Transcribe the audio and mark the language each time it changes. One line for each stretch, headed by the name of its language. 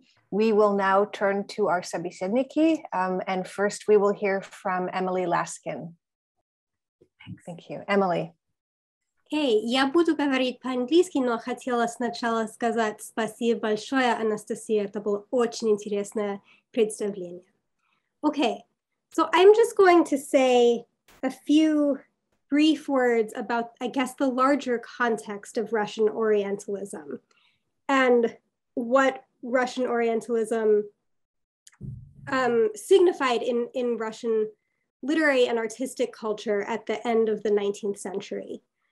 English: We will now turn to our
Russian: собеседники,
English: and first we will hear from Emily Laskin. Thanks. Thank you. Emily.
Russian: Hey, я буду говорить по-английски, но хотела сначала сказать спасибо большое, Анастасия. Это было очень интересное представление.
English: Okay, so I'm just going to say a few brief words about, I guess, the larger context of Russian Orientalism and what Russian Orientalism signified in Russian literary and artistic culture at the end of the 19th century.